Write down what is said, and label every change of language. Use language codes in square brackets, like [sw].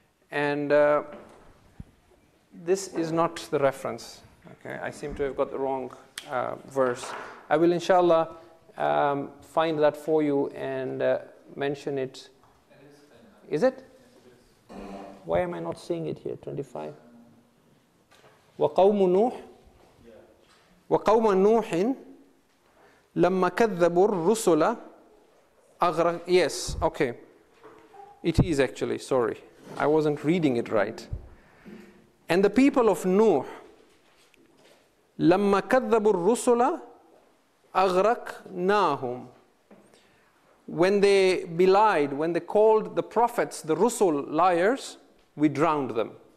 [en] And this is not the reference, okay? I seem to have got the wrong verse. I will, inshallah, find that for you and mention it. Is it? Why am I not seeing it here, 25? [ar] وَقَوْمُ نُوحٍ وَقَوْمَ نُوحٍ لَمَّا كَذَّبُوا الرُّسُلَ. [en] Yes, okay. It is actually, sorry. I wasn't reading it right. And the people of Nuh, [ar] لَمَّا كَذَّبُوا الرُّسُلَ أَغْرَقْنَاهُمْ. [en] When they belied, when they called the prophets, the Rusul, liars, we drowned them.